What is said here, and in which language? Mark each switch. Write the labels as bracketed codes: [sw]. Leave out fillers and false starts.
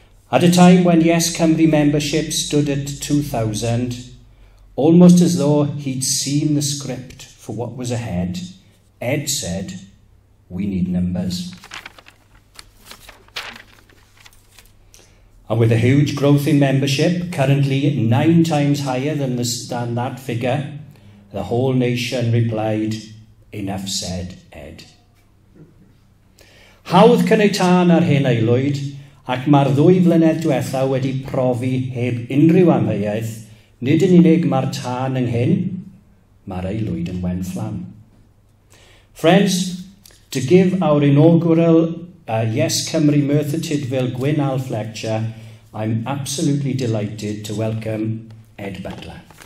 [en] At a time when YesCymru membership stood at 2,000, almost as though he'd seen the script for what was ahead, Ed said, "We need numbers." And with a huge growth in membership, currently 9 times higher than that figure, the whole nation replied, "Enough said, Ed." [cy] Hawdd cynnwytân ar hyn aelwyd, ac mae'r ddwy flynedd diwethaf wedi profi heb unrhyw amheuaeth, nid yn unig mae'r tân ynghyn, mae'r aelwyd yn wenfflam. [en] Friends, to give our inaugural YesCymru Merthyr Tudful Gwyn Alf lecture, I'm absolutely delighted to welcome Ed Butler.